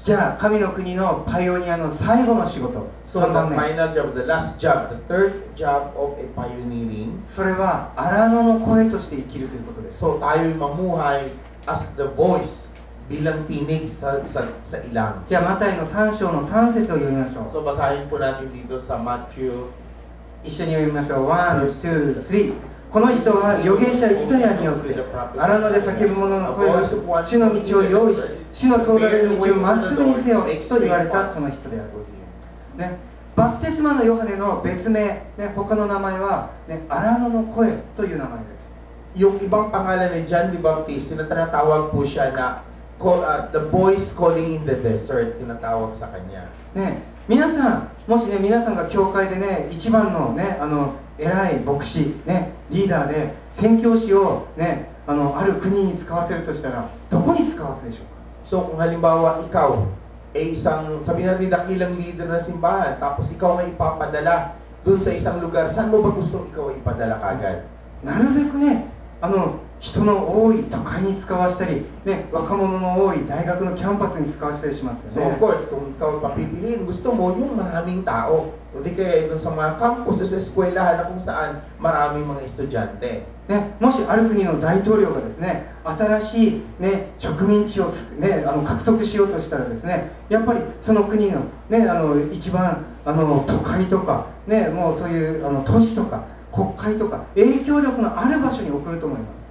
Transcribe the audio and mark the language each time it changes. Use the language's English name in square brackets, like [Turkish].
[Japanese] じゃあ、神の国のパイオニアの最後の仕事。 [English] So the final job, the last job, the third job of a pioneering. [Japanese] それは荒野の声として生きるということです。 [Filipino] So tayo'y mamuhay [English] as the voice [Filipino] bilang tinig sa ilang. [Japanese] じゃあ、マタイの3章の3節を読みましょう。 [Filipino] So basahin po natin dito sa Matthew. [Japanese] 一緒に読みましょう。1, 2, 3. この人は預言者イザヤによって荒野で叫ぶ者の声が主の道を用意し主の通られる道をまっすぐにせよと言われたその人である、ね、バプテスマのヨハネの別名、ね、他の名前は、ね、荒野の声という名前です。 [Filipino] yung ibang pangalan ni John the Baptist sinatawag po siya na [English] the voice calling in the desert [Filipino] tinatawag sa kanya、 [Japanese] ね、皆さんもしね皆さんが教会でね一番のねあの偉い牧師、ね、リーダーで宣教師を、ね、ある国に使わせるとしたらどこに使わすでしょうか。 [Filipino] So, kung halimbawa ikaw ay isang sabi natin dakilang leader ng simbahan tapos ikaw ay ipapadala dun sa isang lugar, saan mo ba gusto ikaw ay ipadala kagad? [Japanese] なるべくね人の多い都会に使わしたり、ね、若者の多い大学のキャンパスに使わしたりしますよね。 [Filipino] So, of course, kung ikaw papipiliin, gusto mo yung maraming tao. O di kaya doon sa mga campus o sa eskwela na kung saan maraming mga estudyante. [Japanese] Ne, もしある国の大統領がですね、新しい、ね、植民地を、ね、獲得しようとしたらですね、やっぱりその国の、ね、一番都会とか、ね、もうそういう都市とか、国会とか、影響力のある場所に送ると思います。